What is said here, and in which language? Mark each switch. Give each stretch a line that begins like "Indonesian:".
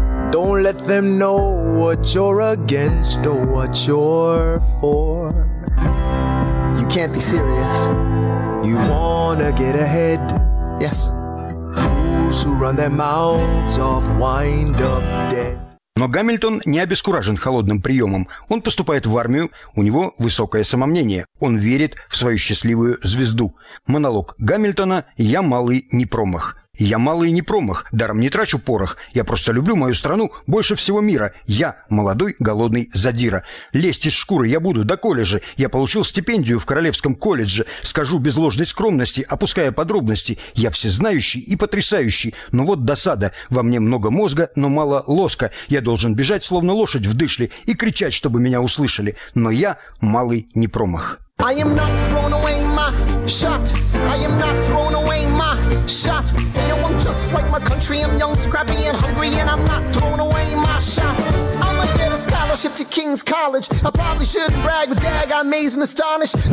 English: Don't let them know what you're against or what you're for. You can't be serious. You wanna get ahead. Yes. Fools who run their mouths off wind up dead.
Russian: Но Гамильтон не обескуражен холодным приемом. Он поступает в армию, у него высокое самомнение. Он верит в свою счастливую звезду. Монолог Гамильтона «Я малый не промах». «Я малый не промах, даром не трачу порох. Я просто люблю мою страну больше всего мира. Я молодой голодный задира. Лезть из шкуры я буду до колледжа. Я получил стипендию в Королевском колледже. Скажу без ложной скромности, опуская подробности. Я всезнающий и потрясающий. Но вот досада. Во мне много мозга, но мало лоска. Я должен бежать, словно лошадь в дышле, и кричать, чтобы меня услышали. Но я малый не промах».
English: I am not thrown away my shot. I am not thrown away my shot. Hey, yo, I'm just like my country. I'm young, scrappy, and hungry, and I'm not thrown away my shot. I'ma get a scholarship to King's College. I probably shouldn't brag, but dag, I'm amazed and astonished.